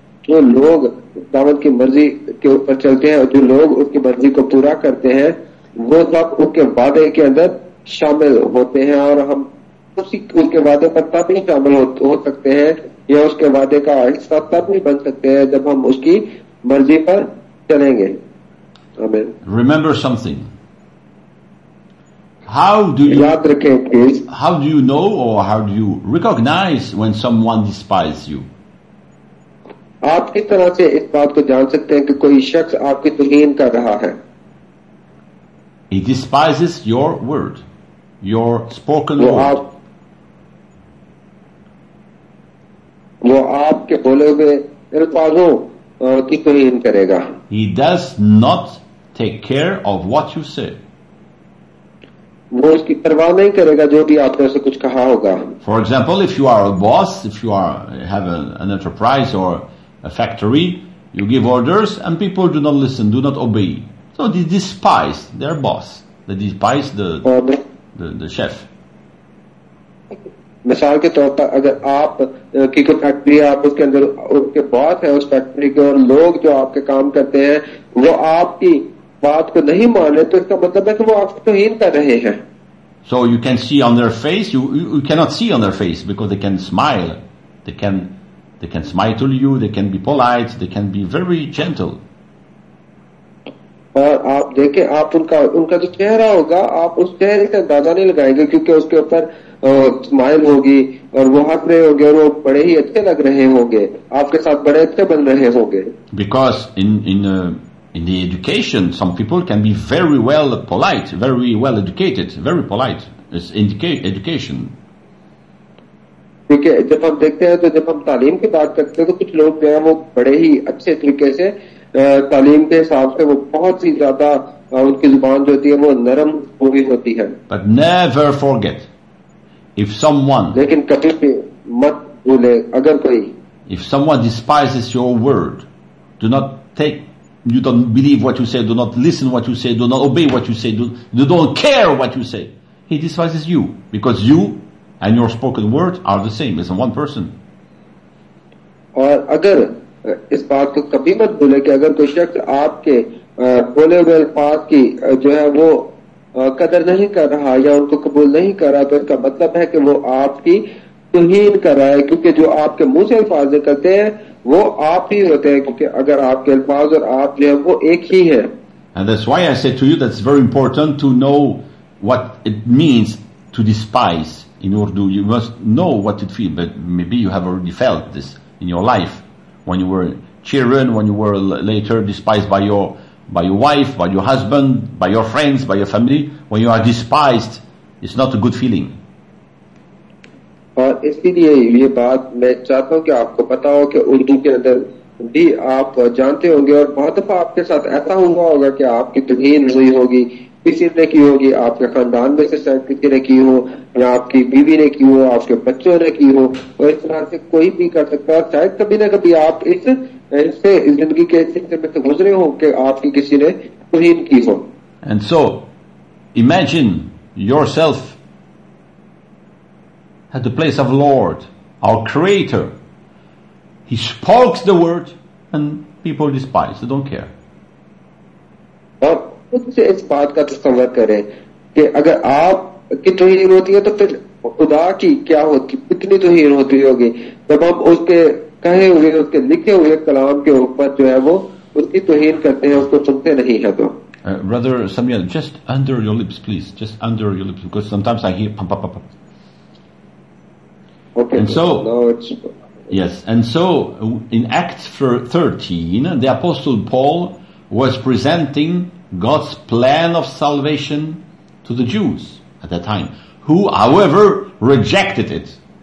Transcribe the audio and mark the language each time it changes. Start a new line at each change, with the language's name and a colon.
Hindi: जो लोग खुदावंद की मर्जी के ऊपर चलते हैं और जो लोग उनकी मर्जी को पूरा करते हैं वो सब उनके वादे के अंदर शामिल होते हैं और हम उसी उनके वादे पर तब ही शामिल हो सकते हैं या उसके वादे का हिस्सा तब ही बन सकते हैं जब हम उसकी मर्जी पर चलेंगे.
English: आमीन. Remember something. How do you know or how do you recognize when someone despises you?
Hindi: आप किस तरह से इस बात को जान सकते हैं कि कोई शख्स आपकी तुहीन कर रहा है?
English: He despises your word, your spoken word.
Hindi: वो आपके बोले हुए अल्फाजों की तुहीन करेगा.
English: He does not take care of what you say.
Hindi: वो उसकी परवाह नहीं करेगा जो भी आपने उसे कुछ कहा होगा.
English: For example, if you are a boss, if you are have an enterprise or a factory, you give orders and people do not listen, do not obey. So they despise their boss. They despise the chef.
Hindi: मिसाल के तौर पर अगर आप की कोई factory है, आप उसके अंदर उसके बॉस है उस फैक्ट्री के और लोग जो आपके काम करते हैं वो आपकी बात को नहीं माने तो इसका मतलब है कि वो आपको तोहीन कर रहे हैं.
English: So you can see on their face, you cannot see on their face because they can smile. They can smile to you, they can be polite, they can be very gentle.
Hindi: और आप देखें आप उनका जो चेहरा होगा आप उस चेहरे का अंदाजा नहीं लगाएंगे क्योंकि उसके ऊपर स्माइल होगी और वो हंस रहे होंगे और वो बड़े ही अच्छे लग रहे होंगे, आपके साथ बड़े अच्छे बन रहे होंगे.
English: Because In the education, some people can be very well polite, very well educated, very polite. It's education.
Hindi: ठीक है, जब हम देखते हैं तो जब हम तालीम की बात करते हैं तो कुछ लोग जो हैं वो बड़े ही अच्छे तरीके से तालीम के हिसाब से वो बहुत ही ज्यादा उनकी जुबान जो होती है वो नरम पूरी होती है.
English: But never forget, if someone.
Hindi: लेकिन कभी भी मत भूले अगर कोई.
English: If someone despises your word, do not take. You don't believe what you say, do not listen what you say, do not obey what you say, you don't care what you say. He despises you, because you and your spoken word are the same as one person.
Hindi: और अगर इस बात को कभी मत भूले कि अगर कोई शख्स आपके बोले हुए अल्फाज की जो है वो कदर नहीं कर रहा या उनको कबूल नहीं कर रहा तो इसका मतलब है कि वो आपकी तुहीन कर रहा है क्योंकि जो आपके मुंह से अल्फाज निकलते हैं वो आप ही होते हैं क्योंकि अगर आपके अल्फाज और आप जो है वो एक ही है.
English: And that's why I said to you that's very important to know what it means to despise in Urdu. You must know what it feels, but maybe you have already felt this in your life when you were children, when you were later despised by your wife, by your husband, by your friends, by your family. When you are despised, it's not a good feeling.
Hindi: और इसीलिए ये बात मैं चाहता हूँ कि आपको पता हो कि उर्दू के अंदर भी आप जानते होंगे और बहुत दफा आपके साथ ऐसा हुआ होगा कि आपकी तुहीन हुई होगी, किसी ने की होगी, आपके खानदान में से शायद किसी ने की हो या आपकी बीवी ने की हो, आपके बच्चों ने की हो और इस तरह से कोई भी कर सकता है. शायद कभी ना कभी आप इस जिंदगी के हिस्से में से गुजरे हो कि आपकी किसी ने तुहीन की हो.
English: And so imagine yourself at the place of Lord, our Creator. He spoke the word and people despise. They don't care.
Hindi: और खुद से इस बात का तस्वर करें कि अगर आप की तोहीन होती है तो फिर खुदा की क्या होती, कितनी तोहीन होती होगी जब हम उसके कहे हुए उसके लिखे हुए कलाम के ऊपर जो है वो उसकी तोहीन करते हैं, उसको सुनते नहीं है तो.
English: Brother Samuel, just under your lips, please. Just under your lips, because sometimes I hear pam pam pam. Okay, and so, yes, and so in Acts 13, the Apostle Paul was presenting God's plan of salvation to the Jews at that time, who, however, rejected it.